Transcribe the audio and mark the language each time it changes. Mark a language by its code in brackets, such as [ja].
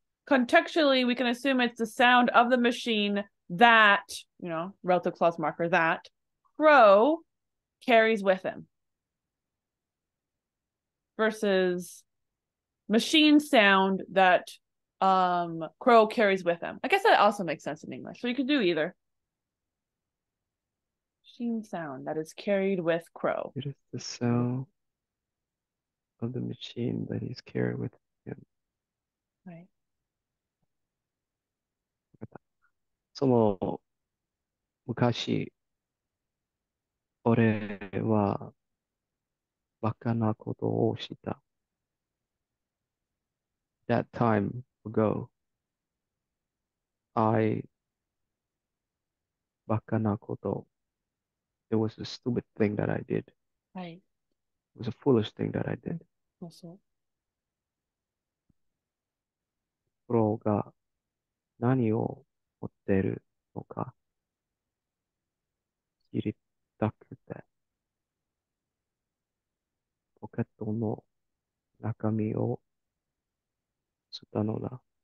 [en] Contextually, we can assume it's the sound of the machine that, you know, relative clause marker that Crow carries with him versus machine sound that Crow carries with him. I guess that also makes sense in English. So you could do either. Machine sound that is carried with Crow. It is the sound of the machine that he's carried with him. Right. [ja] その昔俺はバカなことをした。 [en] That time ago, I [ja] バカなこと。 [en] It was a stupid thing that I did. Right. It was a foolish thing that I did. Also. [ja] プロが何を持ってるのか知りたくてポケットの中身を吸ったのだ。